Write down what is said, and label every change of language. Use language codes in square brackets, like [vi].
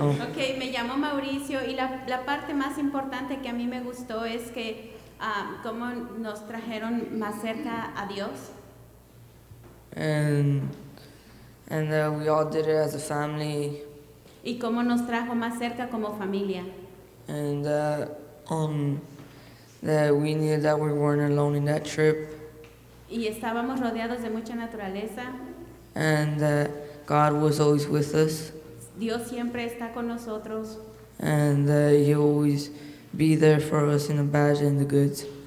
[es] Okay, me llamo Mauricio y la parte más importante que a mí me gustó es que cómo nos trajeron más cerca a Dios. [en] And we all did it as a family. [es] Y cómo nos trajo más cerca como familia. [en] And that we knew that we weren't alone in that trip. [es] Y estábamos rodeados de mucha naturaleza. [en] And God was always with us. [es] Dios siempre está con nosotros. [en] And he always be there for us in the bad and the good.